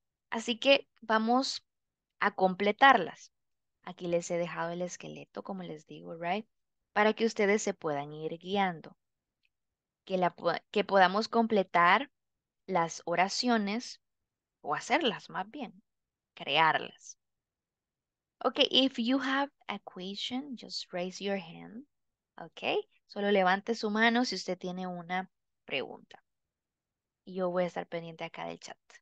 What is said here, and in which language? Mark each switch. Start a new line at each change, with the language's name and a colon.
Spanish: Así que vamos a completarlas. Aquí les he dejado el esqueleto, como les digo, right? Para que ustedes se puedan ir guiando. Que podamos completar las oraciones o hacerlas más bien, crearlas.
English: Okay, if you have a question, just raise your hand.
Spanish: Okay, solo levante su mano si usted tiene una pregunta. Yo voy a estar pendiente acá del chat.